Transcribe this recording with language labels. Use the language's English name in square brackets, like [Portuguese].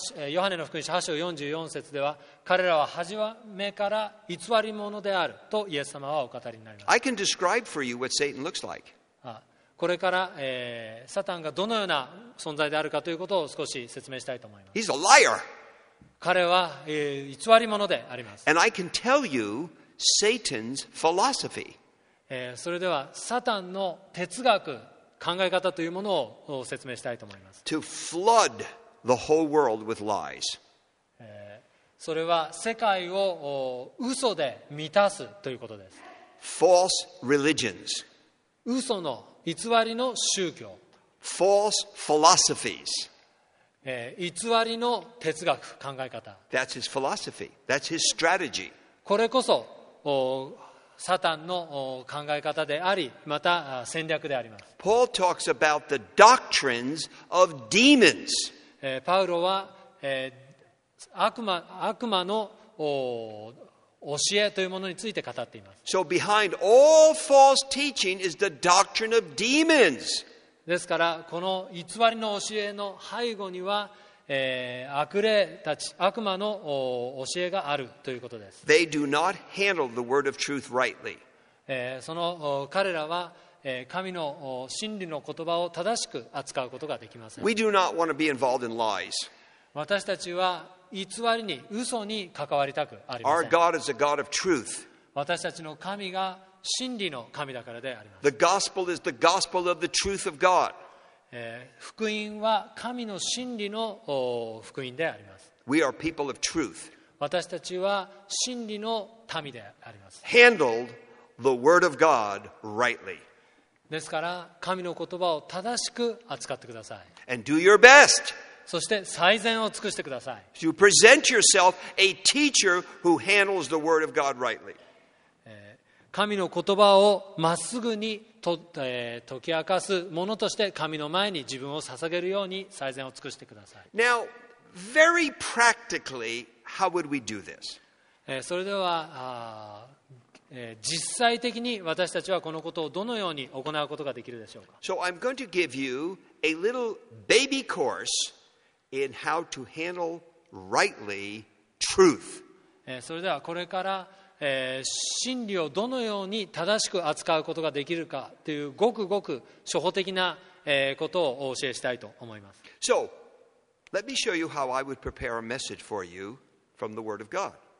[Japanese] ヨハネの福音書8章44節では、彼らは始めから偽り者であるとイエス様はお語りになります。 [English] I can describe for you what Satan looks like. [Japanese] これから、サタンがどのような存在であるかということを少し説明したいと思います。 [English] He's a liar. [Japanese] 彼は、偽り者であります。 [English] And I can tell you Satan's philosophy. [Japanese] それではサタンの哲学、考え方というものを説明したいと思います。 [English] To flood the whole world with lies. [Japanese] それは世界を嘘で満たすということです。 [English] False religions. [Japanese] 嘘の偽りの宗教。 [English] False philosophies. [Japanese] 偽りの哲学、考え方。 [English] That's his philosophy. That's his strategy. [Japanese] これこそサタンの考え方であり、また戦略であります。 [English] Paul talks about the doctrines of demons. [Japanese] パウロは悪魔の教えというものについて語っています。 [English] So behind all false teaching is the doctrine of demons. [Japanese] ですから、この偽りの教えの背後には、悪霊たち、悪魔の教えがあるということです。 [English] They do not handle the word of truth rightly. [Japanese] その彼らは神の真理の言葉を正しく扱うことができません。 [English] We do not want to be involved in lies. [Japanese] 私たちは偽りに嘘に関わりたくありません。 [English] Our God is a God of truth. [Japanese] 私たちの神が真理の神だからであります。 [English] The gospel is the gospel of the truth of God. [Japanese] 福音は神の真理の福音であります。 [English] We are people of truth. [Japanese] 私たちは真理の民であります。 [English] Handled the word of God rightly. [Japanese] ですから神の言葉を正しく扱ってください。 [English] And do your best. [Japanese] そして最善を尽くしてください。 [English] You present yourself a teacher who handles the word of God rightly. [Japanese] 神の言葉をまっすぐに解き明かす者として神の前に自分を捧げるように最善を尽くしてください。 [English] Now, very practically, how would we do this? [Japanese] それでは実際的に私たちはこのことをどのように行うことができるでしょうか。 [English] So I'm going to give you a little baby course. In how to handle rightly truth. [Japanese] それではこれから真理をどのように正しく扱うことができるかというごくごく初歩的なことをお教えしたいと思います。 [English] So, let me show you how I would prepare a message for you from the Word of God.